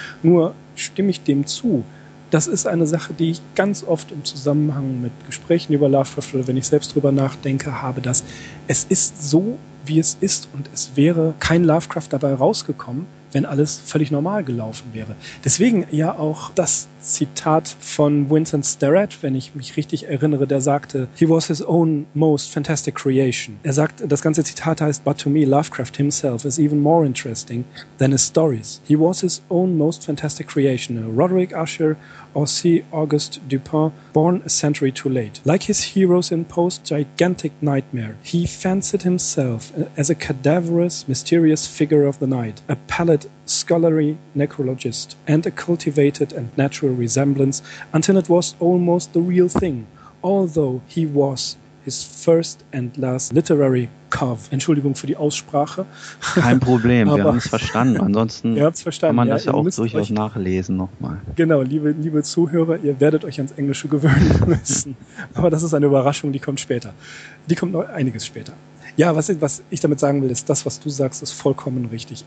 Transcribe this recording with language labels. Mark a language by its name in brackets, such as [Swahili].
[German] Nur stimme ich dem zu. Das ist eine Sache, die ich ganz oft im Zusammenhang mit Gesprächen über Lovecraft oder wenn ich selbst drüber nachdenke, habe, dass es ist so, wie es ist und es wäre kein Lovecraft dabei rausgekommen, wenn alles völlig normal gelaufen wäre. Deswegen ja auch das Zitat von Winston Starrett, wenn ich mich richtig erinnere, der sagte, [English] he was his own most fantastic creation. [German] Er sagt, das ganze Zitat heißt, [English] but to me Lovecraft himself is even more interesting than his stories. He was his own most fantastic creation. Roderick Usher or C. August Dupin, born a century too late. Like his heroes in Poe's gigantic nightmare, he fancied himself as a cadaverous, mysterious figure of the night, a pallid scholarly necrologist, and a cultivated and natural resemblance until it was almost the real thing, although he was his first and last literary cove. [German] Entschuldigung für die Aussprache. Kein Problem, wir haben es verstanden. Ansonsten verstanden, kann man das ja auch durchaus nachlesen nochmal. Genau, liebe Zuhörer, ihr werdet euch ans Englische gewöhnen müssen. Aber das ist eine Überraschung, die kommt später. Die kommt noch einiges später. Ja, was ich damit sagen will, ist, das, was du sagst, ist vollkommen richtig.